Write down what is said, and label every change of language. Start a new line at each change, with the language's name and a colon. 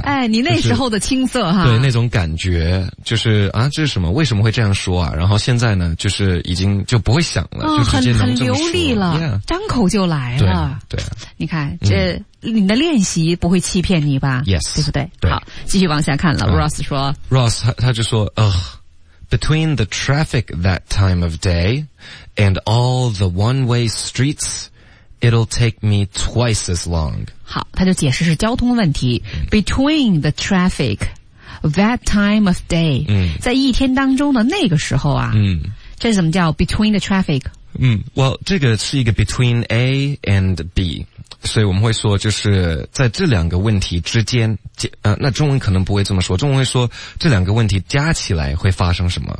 Chinese: 哎，你那时候的青涩哈。对，那种感觉就是啊，这是什么？为什么会这样说啊？然后现在呢，就是已经就不会想了，就直接能这么说。很流利了，
English: yeah.
Chinese: 张口就来了。对啊，你看这你的练习不会欺骗你吧
English: ？Yes，
Chinese: 对不对？对，好，继续往下看了。Ross 说， Ross 他就说
English: ，Ugh， between the traffic that time of day and all the one-way streets， it'll take me twice as long。
Chinese: 好，他就解释是交通问题。
English: Between the traffic that time of day，
Chinese: 在一天当中的那个时候啊，这怎么叫
English: between the traffic？
Chinese: well, 这个是一个
English: between A and B,
Chinese: 所以我们会说就是在这两个问题之间，那中文可能不会这么说，中文会说这两个问题加起来会发生什么。